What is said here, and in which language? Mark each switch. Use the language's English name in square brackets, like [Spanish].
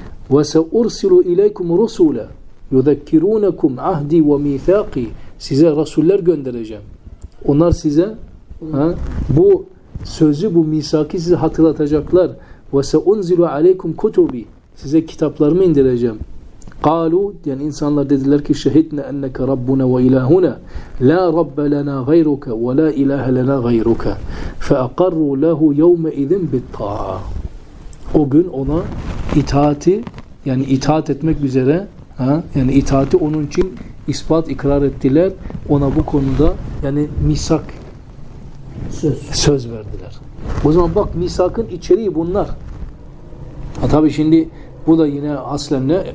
[Arabic] Ve seursilu ileykum rusule. يُذَكِّرُونَكُمْ عَهْدِي وَمِيْثَاقِي. [Turkish] Size Resuller göndereceğim. Onlar size bu sözü, bu misaki size hatırlatacaklar. [Arabic] وَسَاُنْزِلُ عَلَيْكُمْ كُتُوبِي. [Turkish] Size kitaplarımı indireceğim. [Arabic] قَالُوا. [Turkish] Yani insanlar dediler ki [Arabic] شَهِدْنَا أَنَّكَ رَبُّنَا وَإِلَهُنَا لَا رَبَّ لَنَا غَيْرُكَ وَلَا إِلَهَ لَنَا غَيْرُكَ فَأَقَرُّوا لَهُ يَوْمَئِذٍ بِالطَّاعَةِ. [Turkish] O gün ona itaati, yani itaat etmek üzere yani itaati onun için ispat, ikrar ettiler. Ona bu konuda yani misak söz verdiler. O zaman bak misakın içeriği bunlar. Ha tabii şimdi bu da yine aslen ne?